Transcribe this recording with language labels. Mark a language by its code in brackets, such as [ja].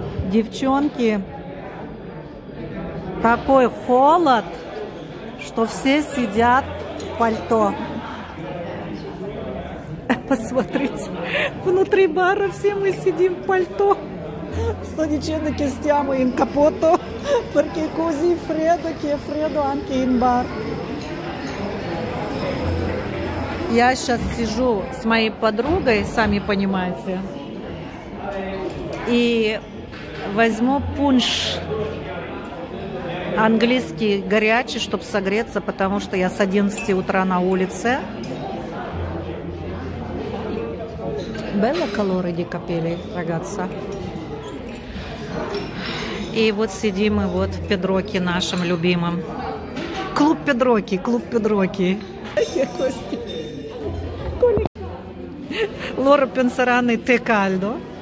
[ru] Девчонки, такой холод, что все сидят в пальто. Посмотрите, внутри бара все мы сидим в пальто. [it] Sto dicendo che stiamo in capotto perché è così freddo che è freddo anche in bar. [ru] Я сейчас сижу с моей подругой, сами понимаете, и возьму пунш, английский горячий, чтобы согреться, потому что я с 11 утра на улице. [it] Bella colore di capelli, ragazza. [ru] И вот сидим мы вот в Педроке нашем любимом. Клуб Педроки, клуб Педроки. Лора Пенсараны, те кальдо.